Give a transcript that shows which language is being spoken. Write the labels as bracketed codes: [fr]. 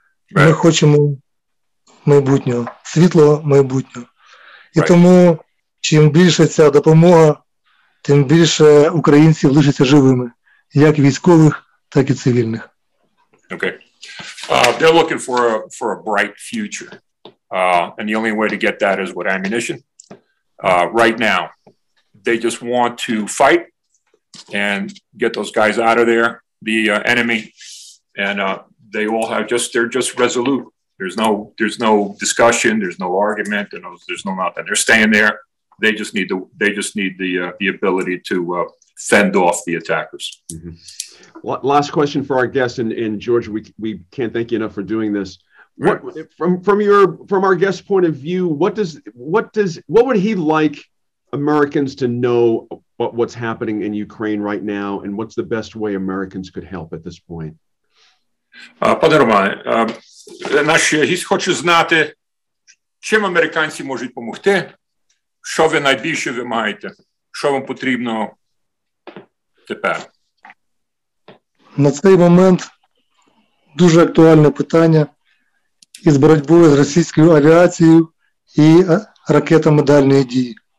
[uk] Ми хочемо майбутнього, світлого майбутнього. І тому, чим більше ця допомога, тим більше українців лишиться живими, як військових, так і цивільних. [en] Okay. They're looking for a bright future. And the only way to get that is with ammunition. Right now, they just want to fight and get those guys out of there, the enemy. And they all have they're just resolute. There's no discussion. There's no argument. There's no nothing. They're staying there. They just need the ability to fend off the attackers. Mm-hmm. Last question for our guest, and George, we can't thank you enough for doing this. From our guest's point of view, what would he like Americans to know about what's happening in Ukraine right now, and what's the best way Americans could help at this point? [uk] Пане Романе, наш гість хоче знати, чим американці можуть допомогти, що ви найбільше вимагаєте, що вам потрібно тепер? На цей момент дуже актуальне питання із боротьбою з російською авіацією і ракетами дальньої дії.